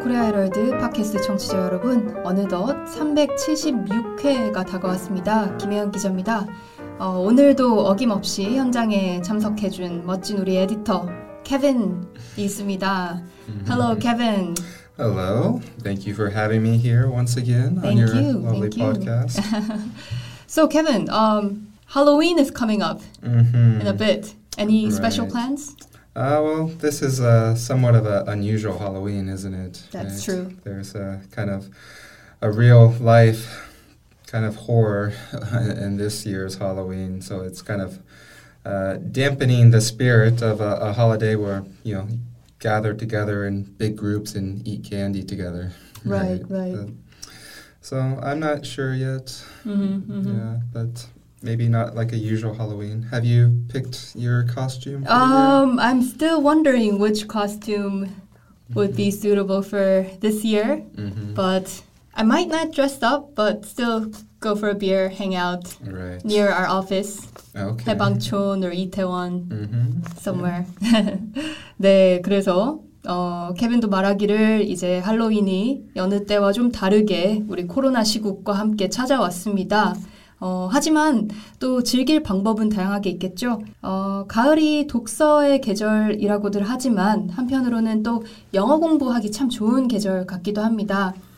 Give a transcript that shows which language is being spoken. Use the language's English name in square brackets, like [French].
[Korean] 코리아 헤럴드 팟캐스트 청취자 여러분. 어느덧 376회가 다가왔습니다. 김혜연 기자입니다. 오늘도 어김없이 현장에 참석해준 멋진 우리 에디터 케빈이 있습니다. [English] Hello, Kevin. Hello. Thank you for having me here once again on your lovely podcast. So, Kevin, Halloween is coming up in a bit. Any special plans? Well, this is somewhat of an unusual Halloween, isn't it? That's right? True. There's a kind of a real life kind of horror in this year's Halloween. So it's kind of dampening the spirit of a holiday where, you know, gather together in big groups and eat candy together. Right. So I'm not sure yet. Yeah, but maybe not like a usual Halloween. Have you picked your costume? I'm still wondering which costume would be suitable for this year. But I might not dress up, but still go for a beer, hang out near our office. Okay. 해방촌 or 이태원 somewhere. Yeah. [Korean] 네, 그래서 케빈도 말하기를 이제 할로윈이 여느 때와 좀 다르게 우리 코로나 시국과 함께 찾아왔습니다. 하지만 또 즐길 방법은 다양하게 있겠죠. 가을이 독서의 계절이라고들 하지만 한편으로는 또 영어 공부하기 참 좋은 계절 같기도 합니다.